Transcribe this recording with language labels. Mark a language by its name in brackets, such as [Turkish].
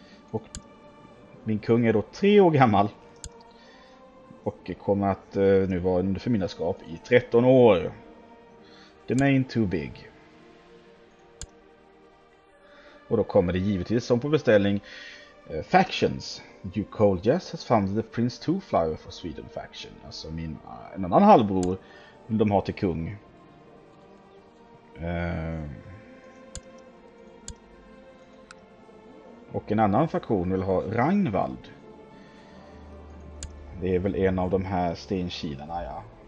[Swedish] Och min kung är då 3 år gammal och kommer att nu vara under förmyndarskap i 13 år. Den är inte [English] too big. [Swedish] Och då kommer det givetvis som på beställning factions. [English] Duke Cold Jazz has founded the Prince Two Flower for Sweden faction. [Swedish] Alltså min, en annan halvbror de har till kung. Och en annan faktion vill ha Ragnvald. Det är väl en av de här stenkilarna, ja.